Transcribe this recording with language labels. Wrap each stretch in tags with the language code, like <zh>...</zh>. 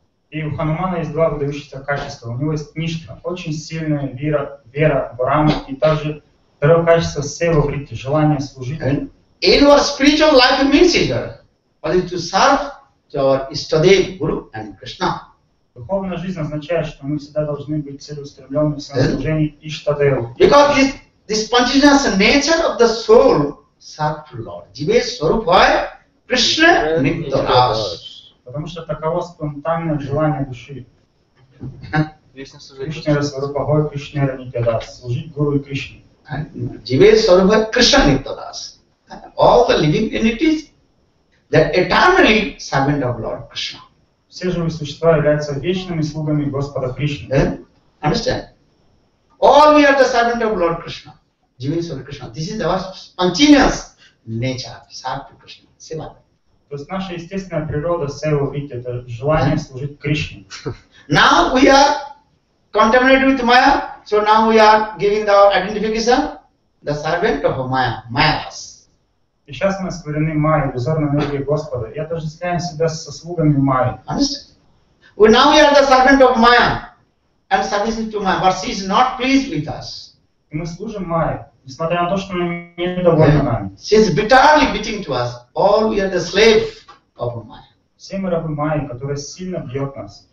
<ru>И у Ханумана есть два выдающихся качества. У него есть ништа, очень сильная вера в Раму, и также второе качество сева вритти, желание служить.</ru> <en>And in our spiritual life means it, what is to serve to our Ishtadev, Guru and Krishna.</en> <ru>Духовная жизнь означает, что мы всегда должны быть целеустремленными в служении Иштадеву.</ru> <en>Because this consciousness nature of the soul serves the Lord.</en> <sa>Jive Swarupaya Krishna Nitya Ras.</sa> <ru>Потому что таково спонтанное желание души.</ru> <sa>Krishna Swarupaya Krishna Nitya Ras.</sa> <ru>Служить Гуру и Кришне.</ru> <sa>Jive Swarupaya Krishna Nitya Ras.</sa> <en>All the living entities, they are eternally servant of Lord Krishna.</en> <ru>Все живые существа являются вечными слугами Господа Кришны.</ru> <en>Understand? All we are the servant of Lord Krishna,</en> <sa>Jivin Sura Krishna.</sa> <en>This is our spontaneous nature, Sarva Krishna, Seva.</en> <ru>То есть наша естественная природа, Seva Vritti, это желание служить Кришне.</ru> <en>Now we are contaminated with Maya, so now we are giving our identification, the servant of Maya, Mayavas.</en> <ru>И сейчас мы осквернены Майей, иллюзорной энергией Господа. Я тоже связываю себя со слугами Майи.</ru> <en>We now we are the servant of Maya and submissive to Maya, but she is not pleased with us.</en> <ru>И мы служим Майе, несмотря на то, что она недовольна нами.</ru> <en>She is bitterly beating to us. All we are the slave of Maya.</en> <ru>Все мы рабы Майи, которая сильно бьет нас.</ru>